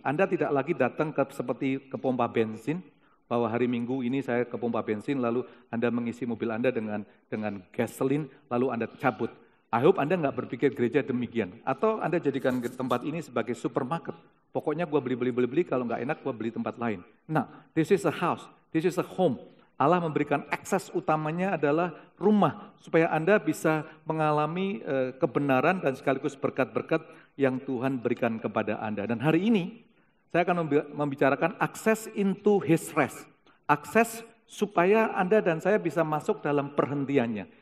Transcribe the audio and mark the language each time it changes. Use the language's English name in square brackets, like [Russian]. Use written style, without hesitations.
[Indonesian] Anda tidak lagi datang seperti ke pompa bensin, bahwa hari Minggu ini saya ke pompa bensin, lalu Anda mengisi mobil Anda dengan gasoline, lalu Anda cabut. [English] I hope [Indonesian] Anda enggak berpikir gereja demikian. Atau Anda jadikan tempat ini sebagai supermarket. Pokoknya gue beli, kalau enggak enak gue beli tempat lain. [English] Nah, this is a house, this is a home. [Indonesian] Allah memberikan akses utamanya adalah rumah, supaya Anda bisa mengalami kebenaran dan sekaligus berkat-berkat yang Tuhan berikan kepada Anda. Dan hari ini, saya akan membicarakan akses [English] into his rest. [Indonesian] Akses supaya Anda dan saya bisa masuk dalam perhentiannya.